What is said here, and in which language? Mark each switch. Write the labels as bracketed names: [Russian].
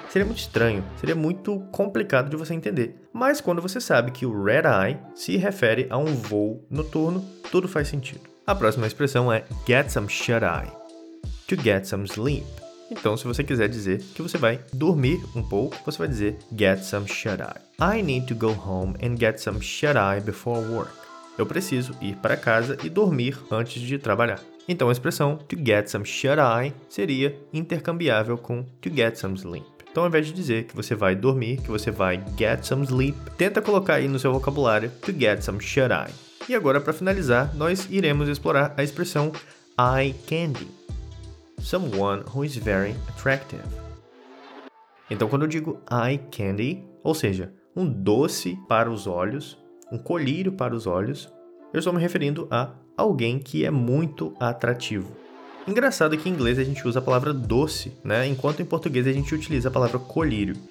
[Portuguese] Seria muito estranho, seria muito complicado de você entender. Mas quando você sabe que o red eye se refere a um voo noturno, tudo faz sentido. A próxima expressão é [English] get some shut eye, to get some sleep. [Portuguese] Então, se você quiser dizer que você vai dormir um pouco, você vai dizer [English] get some shut-eye. I need to go home and get some shut-eye before work. [Portuguese] Eu preciso ir para casa e dormir antes de trabalhar. Então, a expressão [English] to get some shut-eye [Portuguese] seria intercambiável com [English] to get some sleep. [Portuguese] Então, ao invés de dizer que você vai dormir, que você vai [English] get some sleep, [Portuguese] tenta colocar aí no seu vocabulário [English] to get some shut-eye. [Portuguese] E agora, para finalizar, nós iremos explorar a expressão eye candy. [English] Someone who is very attractive. [Portuguese] Então, quando eu digo eye candy, ou seja, um doce para os olhos, um colírio para os olhos, eu estou me referindo a alguém que é muito atrativo. Engraçado que em inglês a gente usa a palavra doce, né? Enquanto em português a gente utiliza a palavra colírio.